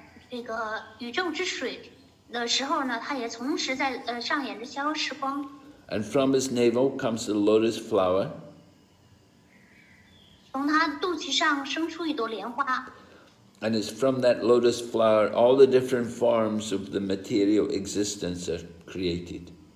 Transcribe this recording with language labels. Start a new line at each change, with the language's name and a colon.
Chinese: 这个宇宙之水的时候呢，它也同时在上演着消失光。
English: And from his navel comes the lotus flower.
Chinese: 从他肚脐上生出一朵莲花。
English: And it's from that lotus flower all the different forms of the material existence are created.